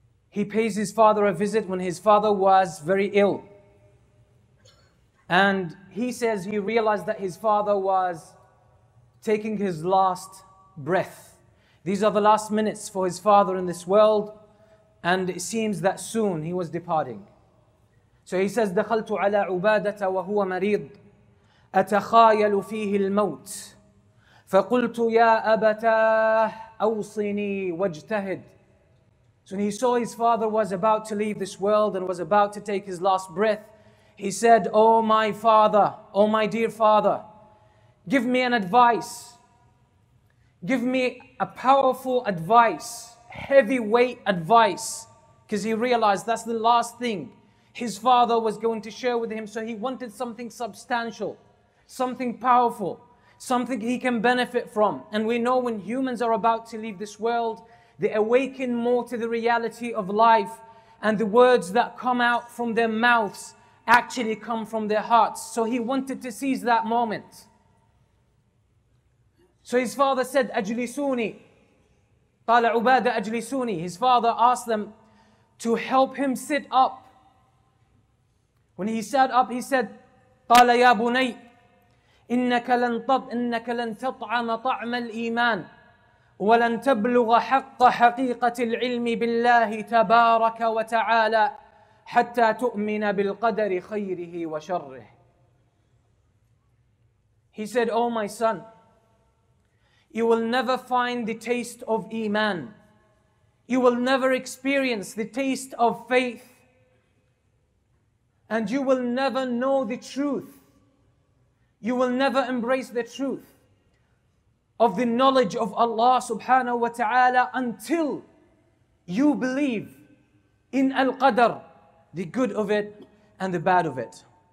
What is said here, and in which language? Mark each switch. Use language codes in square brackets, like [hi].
[en] He pays his father a visit when his father was very ill. And he says he realized that his father was taking his last breath. These are the last minutes for his father in this world, and it seems that soon he was departing. So he says, [ar] دَخَلْتُ عَلَىٰ عُبَادَةَ وَهُوَ مَرِيضٌ أتخايل فيه الموت فقلت يا أبتاه أوصني واجتهد. [en] So when he saw his father was about to leave this world and was about to take his last breath, he said, oh my father, oh my dear father, give me an advice. Give me a powerful advice, heavyweight advice, because he realized that's the last thing his father was going to share with him. So he wanted something substantial, something powerful, something he can benefit from. And we know when humans are about to leave this world, they awaken more to the reality of life, and the words that come out from their mouths actually come from their hearts. So he wanted to seize that moment. So his father said, [ar] أجلسوني. قال عبادة أجلسوني. [en] His father asked them to help him sit up. When he sat up, he said, [ar] قال يا بني إنك لن تطعم طعم الإيمان ولن تبلغ حق حقيقة العلم بالله تبارك وتعالى حتى تؤمن بالقدر خيره وشره. [en] He said, O my son, you will never find the taste of Iman. You will never experience the taste of faith. And you will never know the truth. You will never embrace the truth of the knowledge of Allah subhanahu wa ta'ala until you believe in Al-Qadr, the good of it and the bad of it.